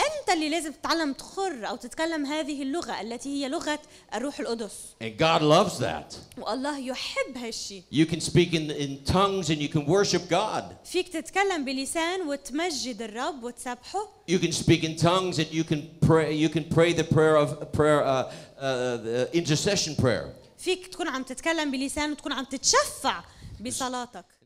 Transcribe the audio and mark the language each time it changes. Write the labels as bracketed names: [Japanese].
[Arabic] أنت اللي لازم تتعلم تخر أو تتكلم هذه اللغة التي هي لغة الروح القدس. [English] And God loves that. [Arabic] والله يحب هالشيء. [English] You can speak in tongues and you can worship God. [Arabic] فيك تتكلم بلسان وتمجد الرب وتسبحه. [English] You can speak in tongues and you can pray. You can pray the prayer of prayer, intercession prayer. [Arabic] فيك تكون عم تتكلم بلسان وتكون عم تتشفع بصلاتك.